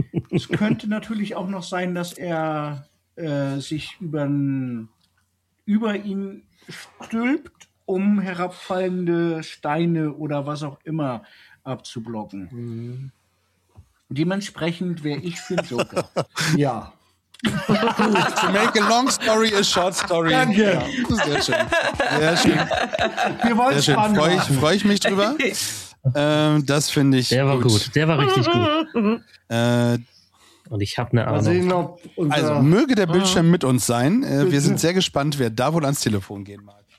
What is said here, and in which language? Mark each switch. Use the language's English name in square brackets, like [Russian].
[German] Es könnte natürlich auch noch sein, dass er sich über ihn stülpt, um herabfallende Steine oder was auch immer abzublocken. Mhm. Dementsprechend wäre ich für Joker. Ja. [English] To make a long story a short story. [German] Danke. Ja, sehr schön. Sehr schön. Wir wollen spannend machen. Freue ich mich drüber. Das finde ich gut. Der war gut. Der war richtig gut. Und ich habe eine Ahnung. Sehen, also möge der Bildschirm mit uns sein. Wir sind sehr gespannt, wer da wohl ans Telefon gehen mag.